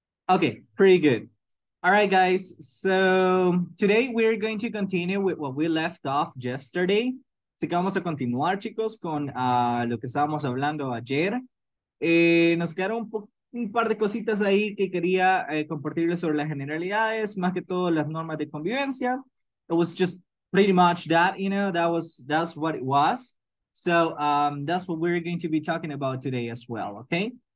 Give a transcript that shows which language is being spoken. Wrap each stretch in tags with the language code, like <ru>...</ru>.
<en>Okay, pretty good. All right, guys, so today we're going to continue with what we left off yesterday.</en> <es>Así que vamos a continuar, chicos, con lo que estábamos hablando ayer. Nos quedaron un par de cositas ahí que quería compartirles sobre las generalidades, más que todo las normas de convivencia.</es> <en>It was just pretty much that, you know, that's what it was. So that's what we're going to be talking about today as well, okay?</en>